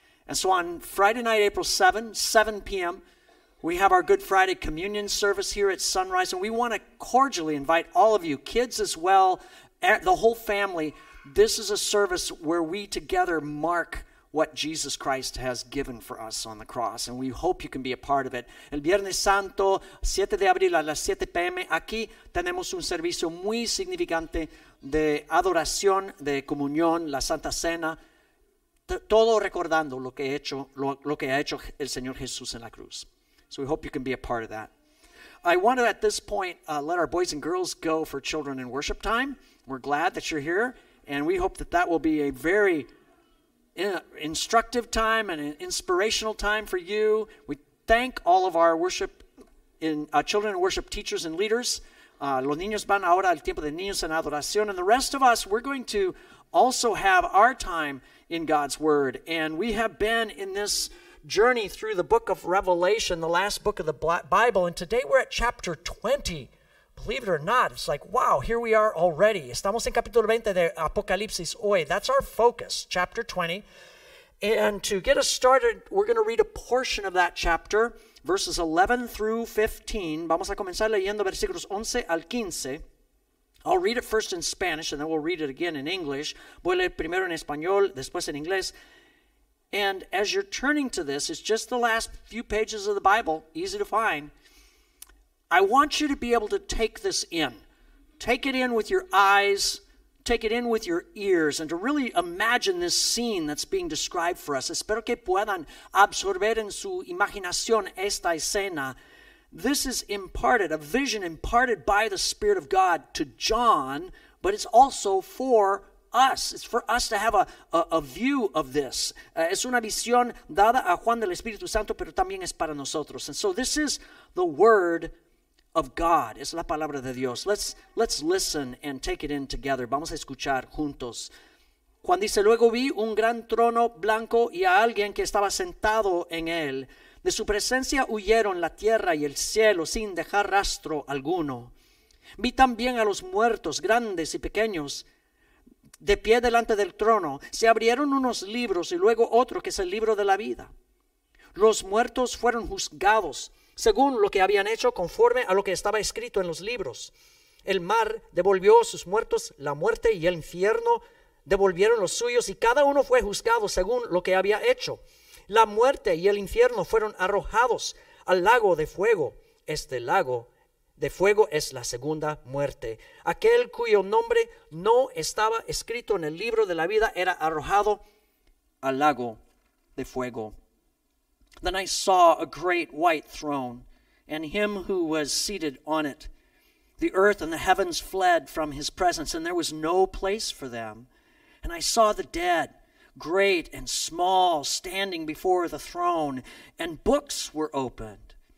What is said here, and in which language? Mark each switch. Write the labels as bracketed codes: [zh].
[en] And so on Friday night, April 7, 7 p.m., we have our Good Friday communion service here at Sunrise. And we want to cordially invite all of you, kids as well, the whole family. This is a service where we together mark what Jesus Christ has given for us on the cross. And we hope you can be a part of it. [es] El Viernes Santo, 7 de abril a las 7 p.m., aquí tenemos un servicio muy significante de adoración, de comunión, la Santa Cena, todo recordando lo que ha hecho el Señor Jesús en la cruz. [en] So we hope you can be a part of that. I want to, at this point, let our boys and girls go for children in worship time. We're glad that you're here, and we hope that that will be a very instructive time and an inspirational time for you. We thank all of our worship in children in worship teachers and leaders. [es] Los niños van ahora al tiempo de niños en adoración. [en] And the rest of us, we're going to also have our time in God's Word. And we have been in this journey through the book of Revelation, the last book of the Bible. And today we're at chapter 20. Believe it or not, it's like, wow, here we are already. [es] Estamos en capítulo 20 de Apocalipsis hoy. [en] That's our focus, chapter 20. And to get us started, we're going to read a portion of that chapter, verses 11 through 15. [es] Vamos a comenzar leyendo versículos 11 al 15. [en] I'll read it first in Spanish, and then we'll read it again in English. [es] Voy a leer primero en español, después en inglés. [en] And as you're turning to this, it's just the last few pages of the Bible, easy to find. I want you to be able to take this in. Take it in with your eyes. Take it in with your ears. And to really imagine this scene that's being described for us. [es] Espero que puedan absorber en su imaginación esta escena. [en] This is imparted, a vision imparted by the Spirit of God to John. But it's also for us. It's for us to have a view of this. [es] Es una visión dada a Juan del Espíritu Santo, pero también es para nosotros. [en] And so this is the word of God. [es] Es la palabra de Dios. [en] Let's listen and take it in together. [es] Vamos a escuchar juntos. Juan dice, luego vi un gran trono blanco y a alguien que estaba sentado en él. De su presencia huyeron la tierra y el cielo sin dejar rastro alguno. Vi también a los muertos, grandes y pequeños, de pie delante del trono. Se abrieron unos libros y luego otro que es el libro de la vida. Los muertos fueron juzgados según lo que habían hecho, conforme a lo que estaba escrito en los libros. El mar devolvió a sus muertos, la muerte y el infierno devolvieron los suyos, y cada uno fue juzgado según lo que había hecho. La muerte y el infierno fueron arrojados al lago de fuego. Este lago de fuego es la segunda muerte. Aquel cuyo nombre no estaba escrito en el libro de la vida era arrojado al lago de fuego. [en] Then I saw a great white throne, and him who was seated on it. The earth and the heavens fled from his presence, and there was no place for them. And I saw the dead, great and small, standing before the throne, and books were opened.